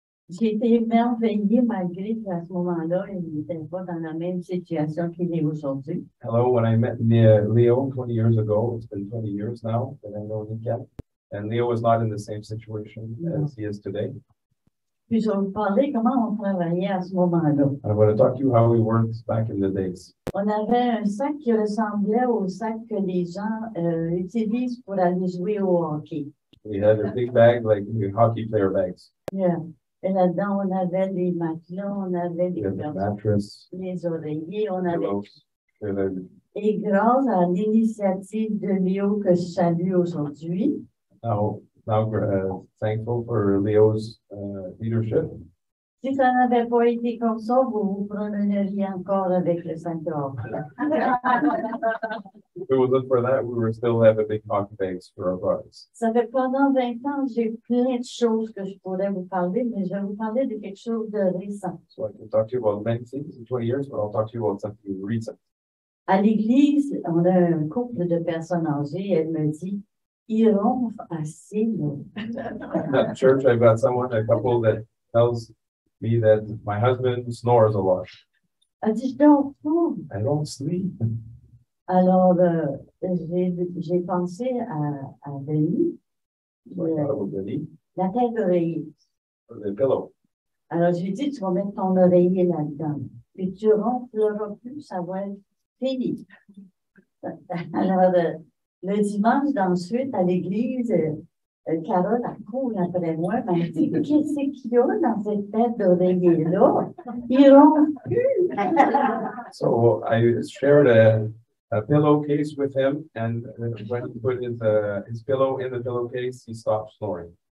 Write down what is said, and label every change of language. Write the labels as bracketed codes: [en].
[fr] J'ai été émerveillée malgré qu'à ce moment-là, il n'était pas dans la même situation qu'il est aujourd'hui. [en] Hello, when I met Léo 20 years ago, it's been 20 years now that I know him again. And Léo was not in the same situation as he is today. [fr] Puis je vais vous parler comment on travaillait à ce moment-là. [en] I want to talk to you how we worked back in the days. [fr] On avait un sac qui ressemblait au sac que les gens utilisent pour aller jouer au hockey. [en] We had a big bag like hockey player bags. Yeah. [fr] Et là-dedans, on avait les matelas, on avait les oreillers, on avait... Et grâce à l'initiative de Léo que je salue aujourd'hui, [en] thankful for Léo's leadership. [fr] Si ça n'avait pas été comme ça, vous vous promeneriez encore avec le centre. [en] If it wasn't for that, we would still have a big hockey bags for our bodies. [fr] Ça fait pendant 20 ans, j'ai plein de choses que je pourrais vous parler, mais je vais vous parler de quelque chose de récent. [en] So I can talk to you about many things in 20 years, but I'll talk to you about something recent. [fr] À l'église, on a un couple de personnes âgées, elle me dit, ils ronflent assez, non? [en] At church, I've got someone, a couple that tells me that my husband snores a lot. [fr] Elle dit, je dors pas. [en] I don't sleep. [fr] Alors, j'ai pensé à Denis, la tête d'oreiller. Le pillow. Alors, j'ai dit, tu vas mettre ton oreiller là-dedans. Puis tu ronfleras plus, ça va être fini. Alors, le dimanche d'ensuite, à l'église, Carole accourt après moi, elle m'a dit, qu'est-ce qu'il y a dans cette tête d'oreiller-là? Il ronfle plus. [en] So, I shared a pillowcase with him, and when he put his pillow in the pillowcase, he stopped snoring.